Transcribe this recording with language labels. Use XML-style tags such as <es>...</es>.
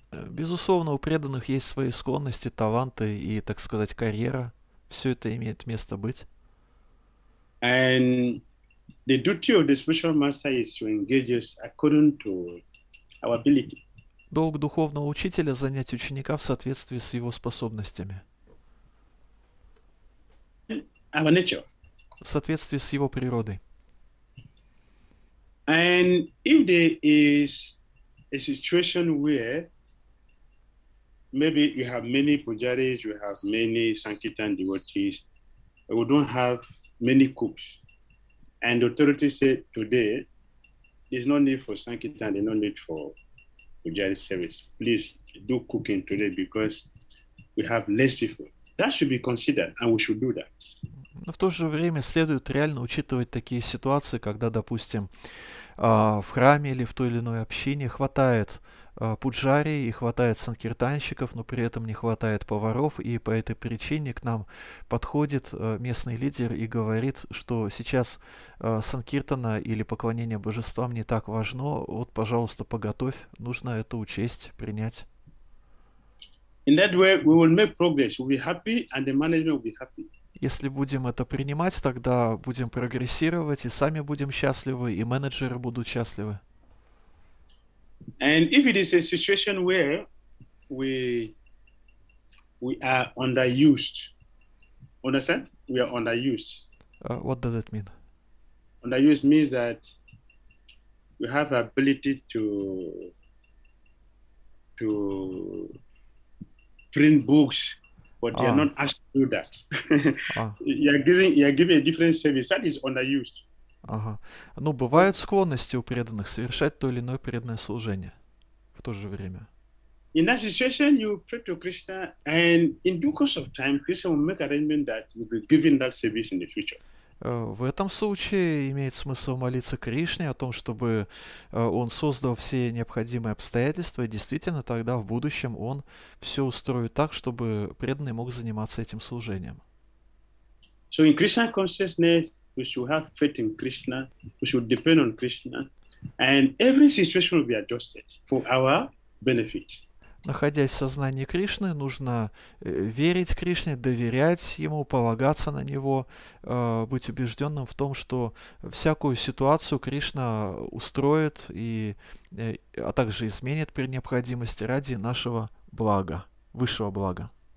<ru>Безусловно, у преданных есть свои склонности, таланты и, так сказать, карьера. Все это имеет место быть.</ru> <en>And the duty of the spiritual master is to engage us according to our ability.</en> <ru>Долг духовного учителя — занять ученика в соответствии с его способностями.</ru> <en>Our nature.</en> <ru>В соответствии с его природой.</ru> <en>And if there is a situation where maybe you have many pujaris, you have many sankirtan devotees, but we don't have many cooks, and the authority say today there's no need for sankirtan, there's no need for pujari service. Please do cooking today because we have less people. That should be considered, and we should do that.</en> <ru>Но в то же время следует реально учитывать такие ситуации, когда, допустим, в храме или в той или иной общине хватает пуджари и хватает санкиртанщиков, но при этом не хватает поваров, и по этой причине к нам подходит местный лидер и говорит, что сейчас санкиртана или поклонение божествам не так важно, вот, пожалуйста, поготовь, нужно это учесть, принять.</ru> <en>In that way, we will make progress. We'll be happy, and the management will be happy.</en> <ru>Если будем это принимать, тогда будем прогрессировать, и сами будем счастливы, и менеджеры будут счастливы.</ru> <en>And if it is a situation where we are underused, understand? We are underused. What does it mean? Underused means that we have ability to print books, but you're not asked to do that. you're giving a different service that is underused.</en> <ru>Ага. Ну, бывают склонности у преданных совершать то или иное преданное служение в то же время.</ru> <en>In that situation, you pray to Krishna, and in due course of time, Krishna will make arrangement that you'll be given that service in the future.</en> <ru>В этом случае имеет смысл молиться Кришне о том, чтобы он создал все необходимые обстоятельства, и действительно тогда в будущем он все устроит так, чтобы преданный мог заниматься этим служением.</ru> <en>So in Krishna consciousness, we should have faith in Krishna, we should depend on Krishna, and every situation will be adjusted for our benefit.</en> <ru>Находясь в сознании Кришны, нужно верить Кришне, доверять Ему, полагаться на Него, быть убежденным в том, что всякую ситуацию Кришна устроит, и, а также изменит при необходимости ради нашего блага, высшего блага.</ru>